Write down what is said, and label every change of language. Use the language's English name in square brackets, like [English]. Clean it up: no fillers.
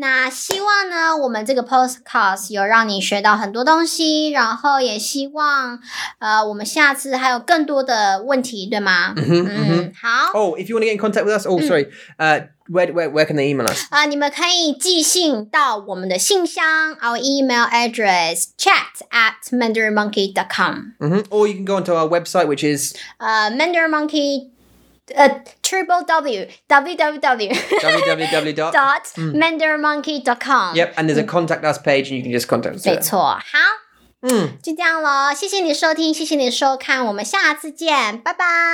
[Chinese] 希望呢我们这个 podcast 有让你学到很多东西，然后也希望我们下次还有更多的问题，对吗？好。 [English] Oh, if you want to get in contact with us, where can they email us? [Chinese] 你们可以寄信到我们的信箱 ， [English] our email address [Chinese] chat@mandarinmonkey.com。 [English] Or you can go onto our website, which is mandarinmonkey.com. www.mandarinmonkey.com. Yep, and there's a contact us page, and you can just contact us. [Chinese] 没错，好，就这样咯，谢谢你收听，谢谢你收看，我们下次见，拜拜。